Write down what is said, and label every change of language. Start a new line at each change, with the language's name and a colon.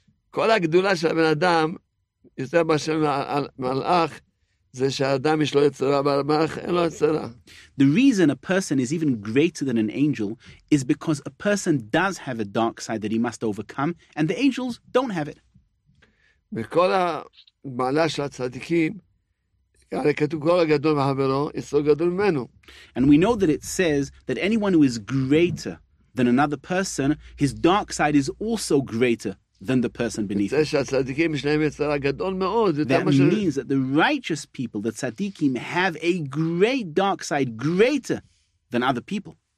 Hebrew: כל הגדולה של בן אדם יותר מאשר מלאך זה שהאדם יש לו יצרה מלאך אין לו יצרה.
English: The reason a person is even greater than an angel is because a person does have a dark side that he must overcome and the angels don't have it.
Hebrew: בכל המעלה של הצדיקים הרי כתוב כל הגדול מחברו יצרו גדול ממנו.
English: And we know that it says that anyone who is greater than another person, his dark side is also greater than the person beneath him. That means that the righteous people, the tzaddikim, have a great dark side, greater than other people.